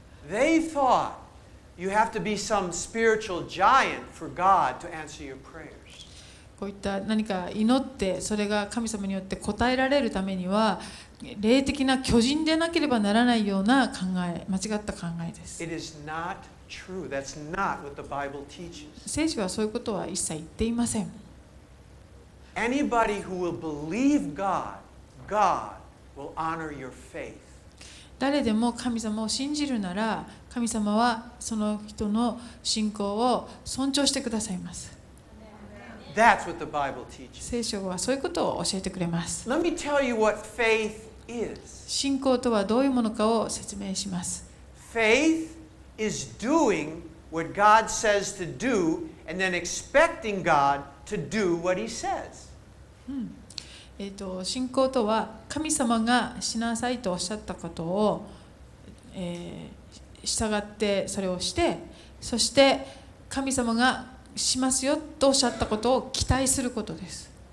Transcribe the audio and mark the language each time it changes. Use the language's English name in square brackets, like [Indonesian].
[English] They thought you have to be some spiritual giant for God to answer your prayers. [Japanese] こういった何か祈ってそれが神様によって答えられるためには霊的な巨人でなければならないような考え、間違った考えです。 [English] It is not true. That's not what the Bible teaches. [Japanese] 聖書はそういうことは一切言っていません。 [English] Anybody who will believe God, God will honor your faith. [Japanese] 誰でも神様を信じるなら、神様はその人の信仰を尊重してくださいます。 [English] That's what the Bible teaches. [Japanese] 聖書はそういうことを教えてくれます。 [English] Let me tell you what faith is. [Japanese] 信仰とはどういうものかを説明します。 [English] Faith is doing what God says to do and then expecting God. To do what he says. [Japanese] 信仰とは神様がしなさいとおっしゃったことを、従ってそれをして、そして神様がしますよとおっしゃったことを期待することです。